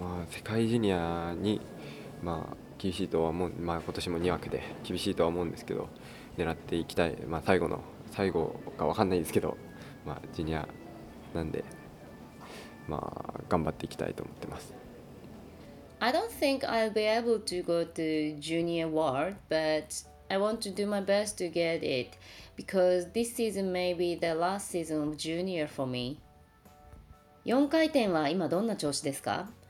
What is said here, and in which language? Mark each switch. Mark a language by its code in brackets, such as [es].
[ja] 世界ジュニアに厳しいとは思う、今年も2枠で厳しいとは思うんですけど、狙っていきたい、最後が分かんないですけど、ジュニアなんで、頑張っていきたいと思ってます。 [en] I don't think I'll be able to go to Junior World, but I want to do my best to get it. Because this season may be the last season of junior for me. [ja] 4回転は今どんな調子ですか?